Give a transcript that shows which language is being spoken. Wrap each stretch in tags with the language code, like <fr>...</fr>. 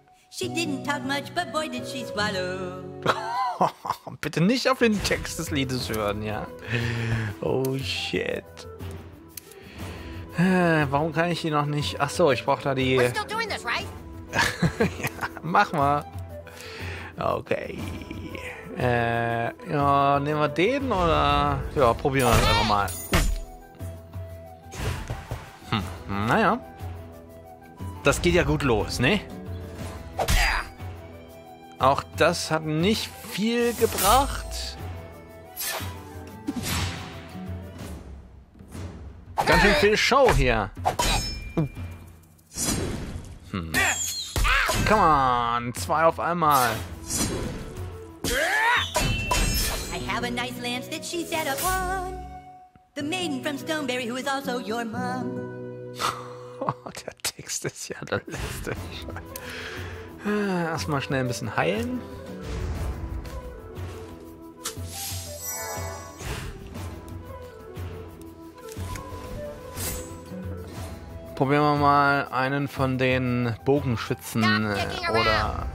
<en>She didn't talk much, but boy did she swallow.</en> <de>Bitte nicht auf den Text des Liedes hören, ja.</de> <en>Oh, shit.</en> <de>Warum kann ich hier noch nicht... Achso, ich brauche da die...</de> <en>We're still doing this, right?</en> <de>Ja, mach mal. Okay. Ja, nehmen wir den oder... Ja, probieren wir das einfach mal. Naja. Das geht ja gut los, ne? Auch das hat nicht viel gebracht. Ganz schön viel Show hier.</de> <en>Come on,</en> <de>zwei auf einmal.</de> <en>I have a nice lance that she set upon. The maiden from Stoneberry, who is also your mom.</en> <de>Der Text ist ja der letzte. Erstmal schnell ein bisschen heilen. Probieren wir mal einen von den Bogenschützen. Oder.</de>